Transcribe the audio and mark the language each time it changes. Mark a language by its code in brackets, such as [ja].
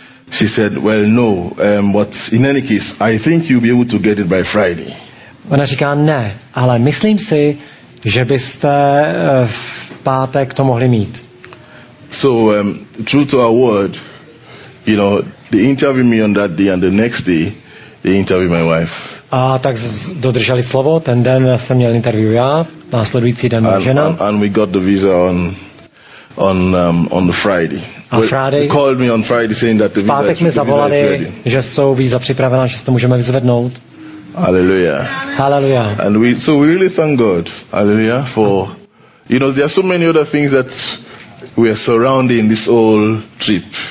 [en] She said, well, no, but in any case, I think you'll be able to get it by Friday. [cs] Ona říká, ne, ale myslím si, že byste v pátek to mohli mít. [en] So, true to our word, you know, they interviewed me on that day and the next day, they interviewed my wife. [cs] A tak dodrželi slovo, ten den jsem měl interview já, následující den můj žena. [en] And we got the visa on the Friday. A Friday, they called me on Friday saying that the visa is ready. [cs] Že jsou víza připravená, že si to můžeme vyzvednout. Hallelujah. Hallelujah. [en] And we really thank God. Hallelujah. For, you know, there are so many other things that we are surrounding this whole trip.